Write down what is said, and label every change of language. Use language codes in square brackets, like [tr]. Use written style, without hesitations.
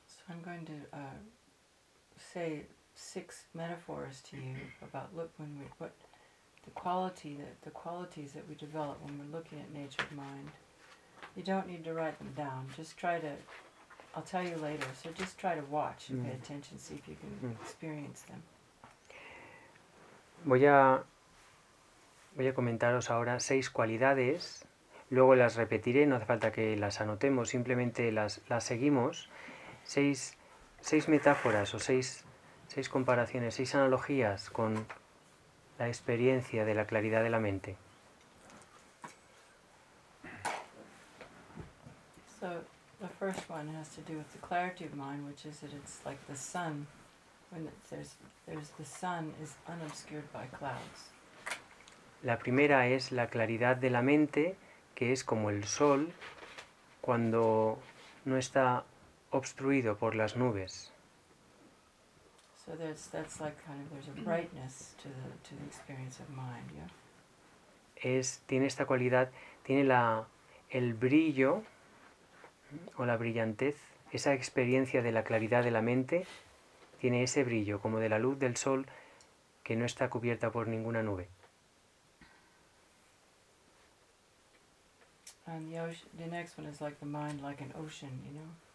[en] I'm going to say 6 metaphors to you about the qualities that we develop when we're looking at nature of mind. You don't need to write them down. Just try to. I'll tell you later. So just try to watch and pay attention. See if you can experience them. [es] Voy a comentaros ahora 6 cualidades. Luego las repetiré. No hace falta que las anotemos. Simplemente las seguimos. 6 metáforas o 6 comparaciones, 6 analogías con la experiencia de la claridad de la mente. [en] So the first one has to do with the clarity of mind, which is that it's like the sun, when there's the sun is unobscured by clouds. [es] La primera es la claridad de la mente, que es como el sol cuando no está obstruido por las nubes. [en] So that's like kind of there's a brightness to the experience of mind, yeah. [es] Tiene esta cualidad, tiene el brillo o la brillantez, esa experiencia de la claridad de la mente, tiene ese brillo como de la luz del sol que no está cubierta por ninguna nube. [en] And the next one is like the mind like an ocean, you know.